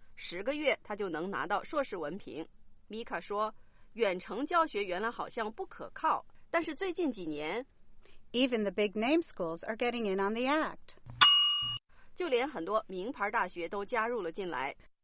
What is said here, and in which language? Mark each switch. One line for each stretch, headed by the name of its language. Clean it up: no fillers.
Chinese: 十个月他就能拿到硕士文凭。Mika 说，远程教学原来好像不可靠，但是最近几年。
English: Even the big-name schools are getting in on the act.
Chinese: 就连很多名牌大学都加入了进来。